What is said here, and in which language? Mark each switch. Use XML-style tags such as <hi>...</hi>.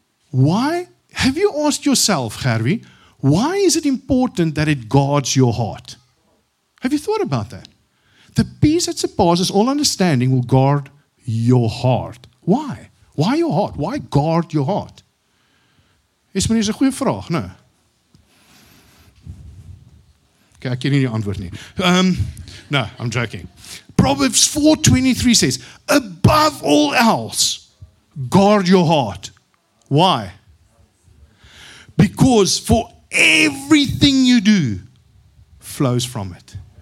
<en>Why? Have you asked yourself, Gerwie, why is it important that it guards your heart? Have you thought about that? The peace that surpasses all understanding will guard your heart. Why? Why your heart? Why guard your heart?</en> <af>Is meneer 'n goeie vraag, né? Okay, ek ken nie die antwoord nie.</af> <en>No, I'm joking. Proverbs 4:23 says, "Above all else, guard your heart." Why? Because for everything you do flows from it.</en>